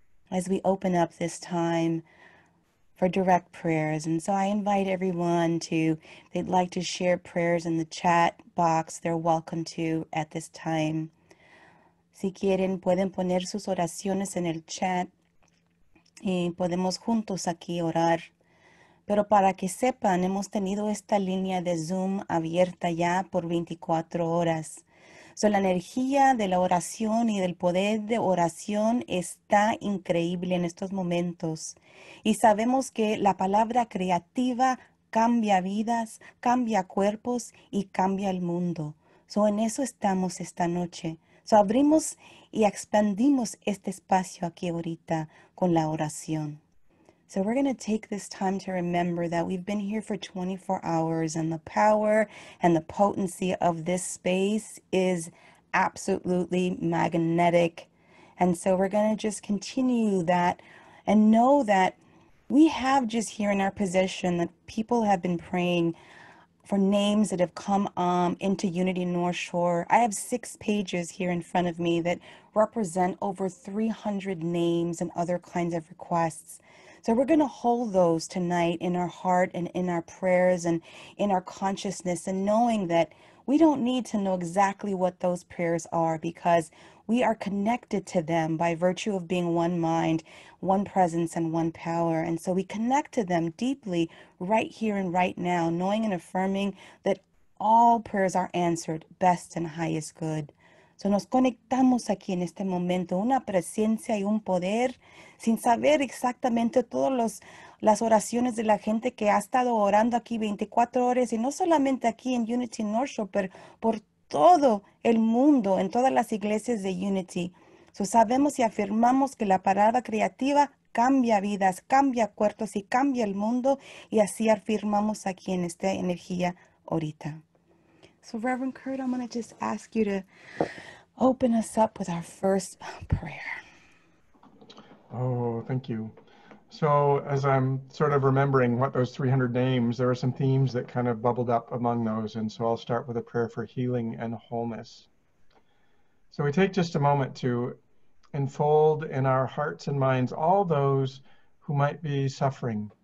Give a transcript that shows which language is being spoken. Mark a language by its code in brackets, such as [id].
[en] As we open up this time for direct prayers. And so I invite everyone to, they'd like to share prayers in the chat box. They're welcome to at this time. [es] Si quieren, pueden poner sus oraciones en el chat. Y podemos juntos aquí orar. Pero para que sepan, hemos tenido esta línea de Zoom abierta ya por 24 horas. So, la energía de la oración y del poder de oración está increíble en estos momentos. Y sabemos que la palabra creativa cambia vidas, cambia cuerpos y cambia el mundo. So, en eso estamos esta noche. So, abrimos y expandimos este espacio aquí ahorita con la oración. [en] So we're going to take this time to remember that we've been here for 24 hours and the power and the potency of this space is absolutely magnetic. And so we're going to just continue that and know that we have just here in our possession that people have been praying for names that have come into Unity North Shore. I have 6 pages here in front of me that represent over 300 names and other kinds of requests. So we're gonna hold those tonight in our heart and in our prayers and in our consciousness, and knowing that we don't need to know exactly what those prayers are because we are connected to them by virtue of being one mind, one presence, and one power. And so we connect to them deeply right here and right now, knowing and affirming that all prayers are answered, best and highest good. [es] So nos conectamos aquí en este momento, una presencia y un poder, sin saber exactamente todas las oraciones de la gente que ha estado orando aquí 24 horas, y no solamente aquí en Unity North Shore, pero por todo el mundo, en todas las iglesias de Unity. So sabemos y afirmamos que la palabra creativa cambia vidas, cambia cuerpos y cambia el mundo, y así afirmamos aquí en esta energía ahorita. [en] So Reverend Kurt, I'm going to just ask you to open us up with our first prayer. Oh, thank you. So as I'm sort of remembering what those 300 names, there are some themes that kind of bubbled up among those. And so I'll start with a prayer for healing and wholeness. So we take just a moment to enfold in our hearts and minds all those who might be suffering.